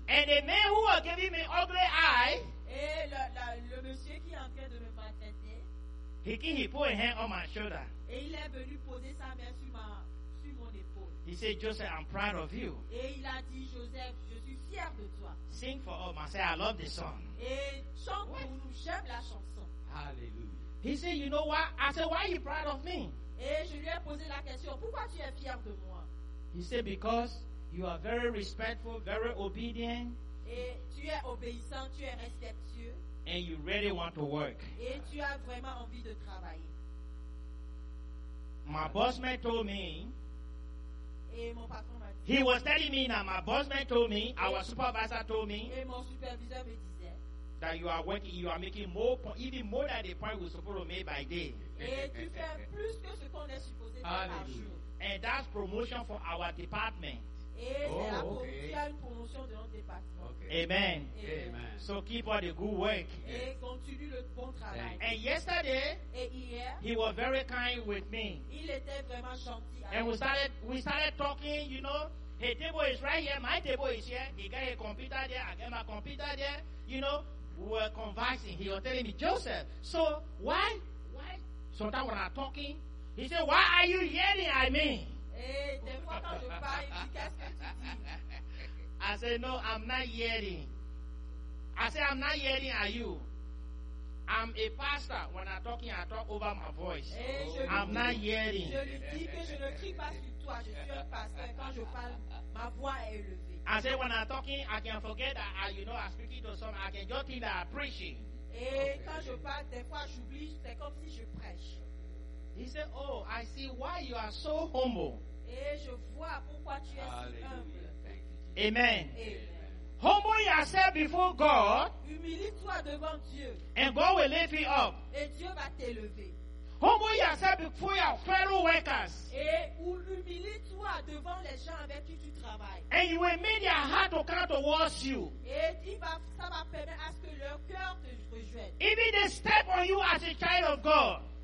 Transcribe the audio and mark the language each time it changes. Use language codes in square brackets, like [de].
[en] And the man who was giving me ugly eye. [fr] Et le monsieur qui est en train de me maltraiter, [en] he put a hand on my shoulder. [fr] Et il est venu poser sa main sur mon épaule. [en] He said, Joseph, I'm proud of you. [fr] Et il a dit, Joseph, je suis fier de toi. [en] Sing for all, I say, I love this song. [fr] Et chante pour nous, j'aime la chanson. Hallelujah. [en] He said, you know what? I said, why are you proud of me? [fr] Et je lui ai posé la question, pourquoi tu es fier de moi? [en] He said, because you are very respectful, very obedient. [fr] Et tu es obéissant, tu es respectueux. [en] And you really want to work. [fr] Et tu as vraiment envie de travailler. [en] My boss man told me. [fr] Et mon patron m'a dit. [en] He was telling me now. My boss man told me. Our supervisor told me. [fr] Et mon superviseur me disait. [en] That you are working, you are making more, even more than the point we're supposed to make by day. [fr] Et tu fais plus que ce qu'on est supposé faire par jour. [en] And that's promotion for our department. [fr] Et c'est la promotion de notre département. Amen. Amen. [en] So keep on the good work. [fr] Et continue le bon travail. [en] And yesterday, [fr] et hier, [en] he was very kind with me. [fr] Il était vraiment gentil. [en] And we started talking, you know. His table is right here. My table is here. He got his computer there. I got my computer there. You know, we were conversing. He was telling me, Joseph, so why? Sometimes when I'm talking, he said, why are you yelling at me? [fr] Et des fois quand je parle, il dit, qu'est-ce que tu dis? [en] I said, no, I'm not yelling. I said, I'm not yelling at you. I'm a pastor. When I'm talking, I talk over my voice. I'm [fr] dis, [en] not yelling. [fr] Je lui dis que je ne crie pas sur toi. Je suis un pasteur. Quand je parle, ma voix est élevée. [en] I said, when I'm talking, I can forget that, you know, I'm speaking to someone. I can just think that I'm preaching. [fr] Et okay. Quand je parle, des fois, j'oublie. C'est comme si je prêche. [en] He said, oh, I see why you are so humble. [fr] Et je vois pourquoi tu es si humble. Amen. Amen. [en] Humble yourself before God. [fr] Humilie-toi devant Dieu. [en] And God will lift you up. [fr] Et Dieu va t'élever. [en] Humble yourself before your fellow workers. [fr] Et humilie-toi devant les gens avec qui tu travailles. [en] And you will make their heart to come towards you. [fr] Et ça va permettre à ce que leur cœur te rejoigne. [en] Even they step on you as a child of God.